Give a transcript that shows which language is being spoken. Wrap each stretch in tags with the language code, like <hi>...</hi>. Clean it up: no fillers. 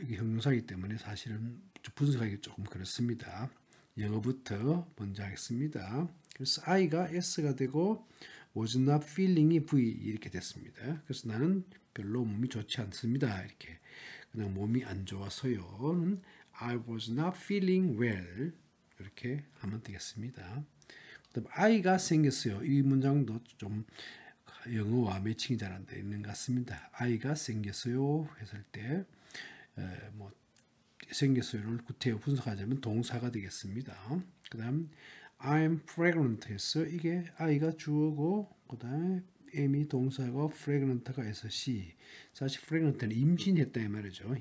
<ko>이게 형용사이기 때문에 사실은 분석하기 조금 그렇습니다. 영어부터 먼저 하겠습니다. 그래서 I가 S가 되고 was not feeling이 V 이렇게 됐습니다. 그래서 나는 별로 몸이 좋지 않습니다. 이렇게 그냥 몸이 안 좋아서요.</ko> <en>I was not feeling well</en> <ko>이렇게 하면 되겠습니다. 그다음 I가 생겼어요. 이 문장도 좀 영어와 매칭이 잘 안 되어 있는 것 같습니다. I가 생겼어요 했을 때 뭐 생겼어요를 구태여 분석하자면 동사가 되겠습니다. 그 다음</ko> <en>I'm pregnant</en> <ko>해서 이게 I가 주어고 그 다음에 M이 동사고 pregnant가 해서 C 사실 pregnant는 임신했다 이 말이죠.</ko>